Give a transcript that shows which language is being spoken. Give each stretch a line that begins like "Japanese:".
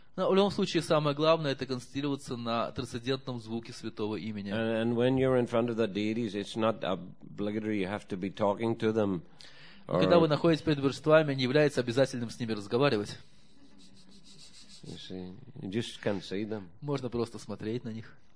Russian: Но в любом случае самое главное это концентрироваться на трансцендентном звуке святого имени.
English: And when you're in front of the deities, it's not obligatory you have to be talking to them.
Russian: Когда вы находитесь перед божествами, не является обязательным с ними разговаривать.
English: You see, you just can see them.
Russian: Можно просто смотреть на них.